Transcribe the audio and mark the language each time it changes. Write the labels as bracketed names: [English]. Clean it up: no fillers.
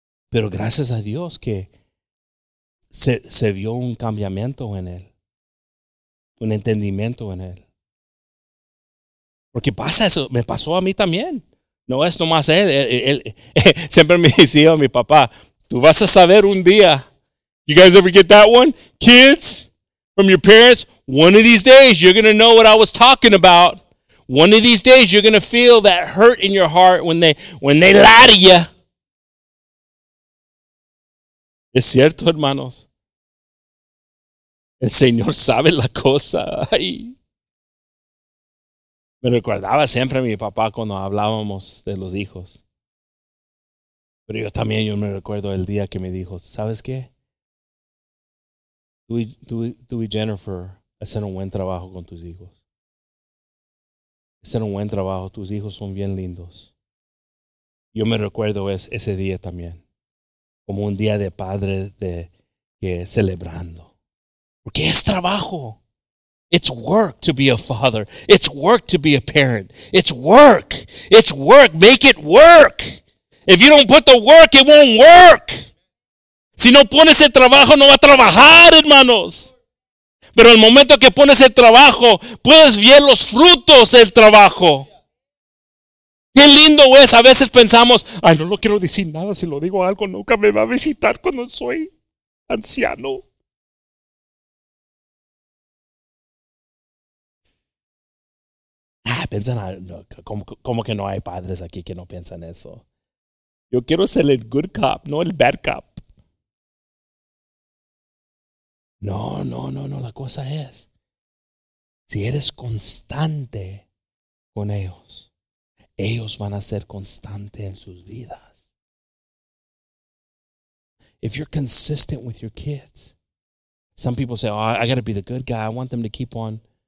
[Spanish] Pero gracias a Dios que se vio un cambiamiento en él. Un entendimiento en él. Porque pasa eso. Me pasó a mí también. No es nomás él. Siempre me decía a mi papá, tú vas a saber un día. [English] You guys ever get that one? Kids, from your parents, one of these days you're going to know what I was talking about. One of these days you're going to feel that hurt in your heart when they lie to you. [Spanish] Es cierto, hermanos. El Señor sabe la cosa. Ay. Me recordaba siempre a mi papá cuando hablábamos de los hijos. Pero yo también, yo me recuerdo el día que me dijo, ¿sabes qué? Tú y Jennifer hacen un buen trabajo con tus hijos. Hacen un buen trabajo. Tus hijos son bien lindos. Yo me recuerdo ese día también. Como un día de padre que celebrando. Porque es trabajo. [English] It's work to be a father. It's work to be a parent. It's work. It's work. Make it work. If you don't put the work, it won't work. [Spanish] Si no pones el trabajo, no va a trabajar, hermanos. Pero el momento que pones el trabajo, puedes ver los frutos del trabajo. Qué lindo es. A veces pensamos, ay, no lo quiero decir nada. Si lo digo algo, nunca me va a visitar cuando soy anciano. Ah, piensan, no, ¿cómo que no hay padres aquí que no piensan eso? Yo quiero ser el good cop, no el bad cop. No, la cosa es, si eres constante con ellos, ellos van a ser constantes en sus vidas. [English] If you're consistent with your kids, some people say, oh, I got to be the good guy, I want them to keep on.